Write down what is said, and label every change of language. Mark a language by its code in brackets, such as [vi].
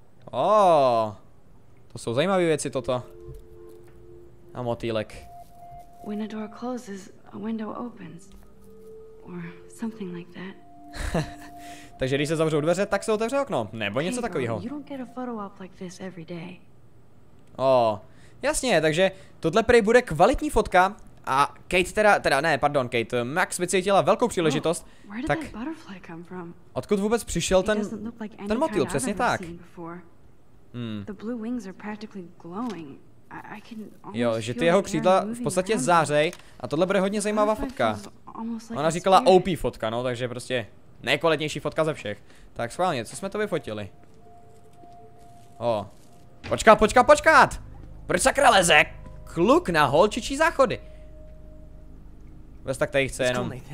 [cs] Oh, to jsou zajímavé věci toto. A motýlek. [en] When a door closes, a window opens. Or something like that. [cs] Takže když se zavřou dveře, tak se otevře okno. Nebo něco takového. [en] You don't get a photo op like this every day. [cs] Oh, jasně, takže tohle prej bude kvalitní fotka. A Kate Kate, Max vycítila velkou příležitost. [en] Oh, where did that butterfly come from? [cs] Odkud vůbec přišel ten motýl, přesně tak. [en] The blue wings are practically glowing. I can [cs] jo, že ty jeho křídla v podstatě zářej a tohle bude hodně zajímavá fotka. Ona říkala OP fotka, no, takže prostě nejkvalitnější fotka ze všech. Tak schválně, co jsme to vyfotili? O, počkat! Proč sakra leze kluk na holčičí záchody? Vez tak tady chce jenom.